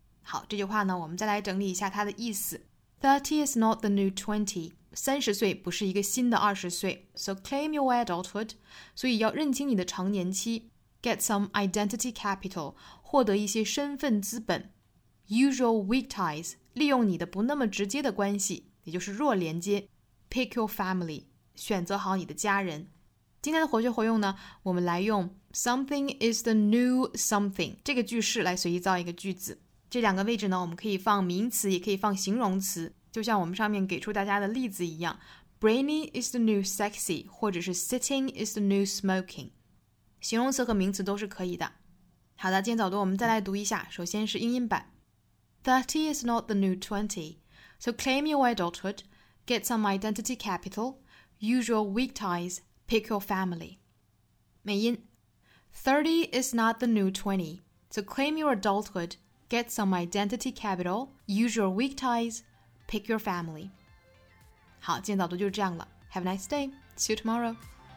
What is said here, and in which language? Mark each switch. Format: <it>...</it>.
<zh>好这句话呢我们再来整理一下它的意思</zh> <en>30 is not the new 20</en> <zh>30岁不是一个新的20岁</zh> <en>so claim your adulthood</en> <zh>所以要认清你的成年期</zh> <en>get some identity capital</en> <zh>获得一些身份资本</zh> <en>usual weak ties</en> <zh>利用你的不那么直接的关系也就是弱连接</zh> <en>Pick your family,</en> <zh>选择好你的家人。今天的活学活用呢，我们来用 something is the new something 这个句式来随意造一个句子。这两个位置呢，我们可以放名词，也可以放形容词，就像我们上面给出大家的例子一样。</zh> <en>Brainy is the new sexy,</en> <zh>或者是</zh> <en>sitting is the new smoking。</en> <zh>形容词和名词都是可以的。好的，今天早读我们再来读一下，首先是英音版。</zh> <en>30 is not the new 20, so claim your adulthood,Get some identity capital, usual weak ties, pick your family.</en> <zh>美音</zh> <en>30 is not the new 20, so claim your adulthood, get some identity capital, usual weak ties, pick your family.</en> <zh>好，今天早读就是这样了。</zh> <en>Have a nice day. See you tomorrow.</en>